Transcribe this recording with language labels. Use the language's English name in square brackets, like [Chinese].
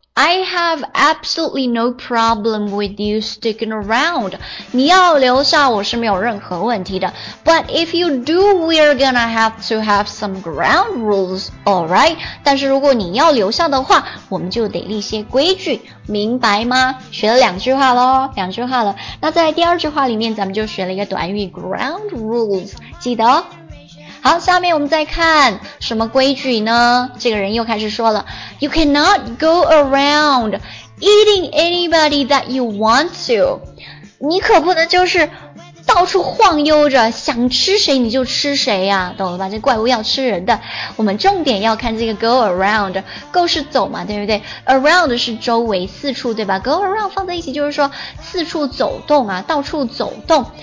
[English] I have absolutely no problem with you sticking around. [Chinese] 你要留下我是没有任何问题的。 [English] But if you do, we're gonna have to have some ground rules, alright? [Chinese] 但是如果你要留下的话，我们就得立些规矩，明白吗？学了两句话咯，两句话了。那在第二句话里面，咱们就学了一个短语 ground rules, 记得哦。好，下面我们再看什么规矩呢？这个人又开始说了 [English] You cannot go around eating anybody that you want to. [Chinese] 你可不能就是到处晃悠着，想吃谁你就吃谁呀、啊，懂了吧？这怪物要吃人的。我们重点要看这个 go around， go 是走嘛，对不对？ around 是周围、四处，对吧？go around 放在一起就是说四处走动啊，到处走动。